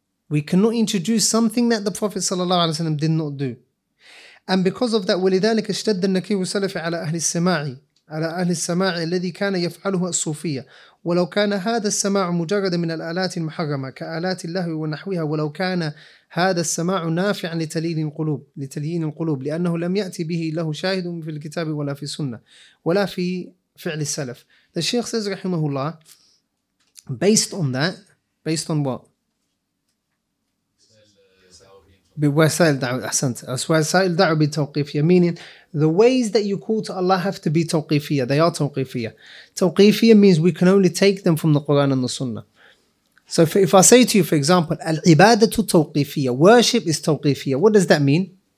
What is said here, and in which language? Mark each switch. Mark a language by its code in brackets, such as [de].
[en] We cannot introduce something that the Prophet sallallahu alayhi wa sallam did not do. And because of that, [ar] وَلِذَلِكَ اشْتَدَّ النَّكِيرُ السَّلَفِ عَلَى أَهْلِ السَّمَاعِ على أهل السماع الذي كان يفعله الصوفية ولو كان هذا السماع مجرد من الآلات المحرمة كآلات اللهو ونحوها ولو كان هذا السماع نافعا لتليين القلوب لأنه لم يأتي به له شاهد في الكتاب ولا في السنة ولا في فعل السلف. [en] The Shaykh says [ar] رحمه الله, [en] based on what? [ar] وسائل دعوة بالتوقيفية. [en] Meaning the ways that you call to Allah have to be tawqifiyya. They are tawqifiyya. Tawqifiyya means we can only take them from the Quran and the Sunnah. So if I say to you, for example, [ar] al-ibadatu tawqifiyya, [en] worship is tawqifiyya. What does that mean?